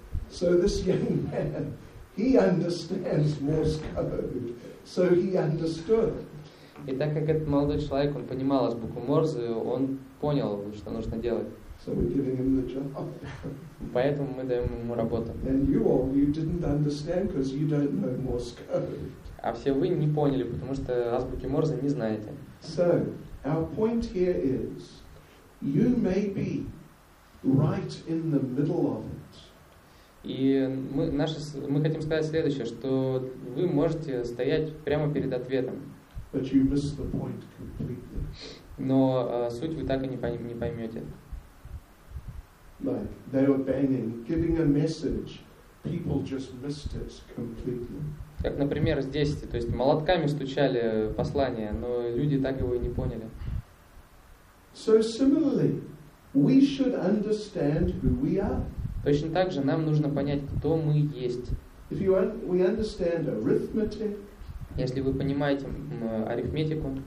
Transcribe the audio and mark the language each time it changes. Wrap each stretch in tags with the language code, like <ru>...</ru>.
<en>So this young man, he understands Morse code, so he understood.</en> <ru>И так как этот молодой человек, он понимал азбуку Морзе, он понял, что нужно делать.</ru> <en>So we're giving him the job.</en> <ru>Поэтому мы даем ему работу.</ru> <en>And you didn't understand because you don't know Morse code.</en> <ru>А все вы не поняли, потому что азбуки Морзе не знаете.</ru> <en>So. Our point here is, you may be right in the middle of it.</en> <ru>И мы хотим сказать следующее, что вы можете стоять прямо перед ответом.</ru> <en>But you miss the point completely.</en> <ru>Но суть вы так и не поймете.</ru> <en>Like they were banging, giving a message, people just missed it completely.</en> <ru>Как, например, здесь, то есть молотками стучали послание, но люди так его и не поняли.</ru> <en>So similarly, we should understand who we are.</en> <ru>Точно так же нам нужно понять, кто мы есть.</ru> <en>If you we understand arithmetic,</en> <ru>если вы понимаете арифметику,</ru>